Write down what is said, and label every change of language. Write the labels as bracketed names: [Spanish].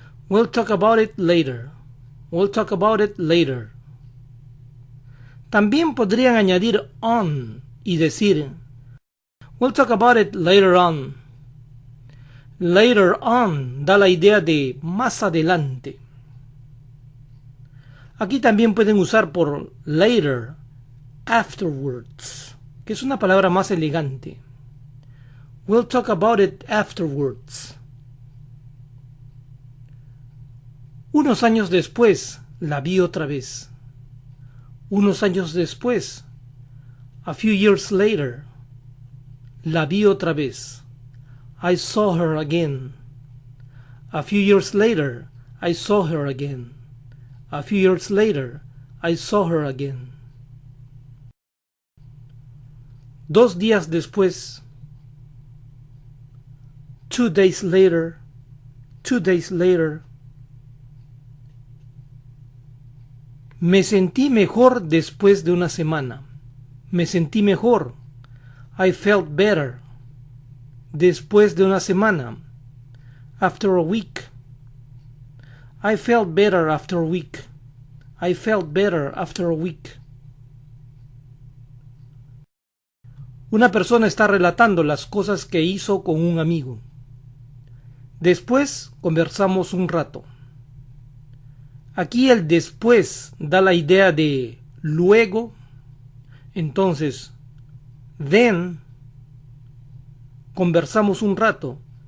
[English] We'll talk about it later. We'll talk about it later. [Spanish] También podrían añadir on y decir [English] we'll talk about it later on. [Spanish] Later on da la idea de más adelante. Aquí también pueden usar por later, afterwards, que es una palabra más elegante. [English] We'll talk about it afterwards. [Spanish] Unos años después, la vi otra vez. Unos años después, [English] a few years later, [Spanish] la vi otra vez. [English] I saw her again. A few years later, I saw her again. A few years later, I saw her again. [Spanish] 2 días después. [English] 2 days later. 2 days later. [Spanish] Me sentí mejor después de una semana. Me sentí mejor. [English] I felt better. [Spanish] Después de una semana. [English] After a week. I felt better after a week. I felt better after a week. [Spanish] Una persona está relatando las cosas que hizo con un amigo. Después conversamos un rato. Aquí el después da la idea de luego. Entonces, then, conversamos un rato.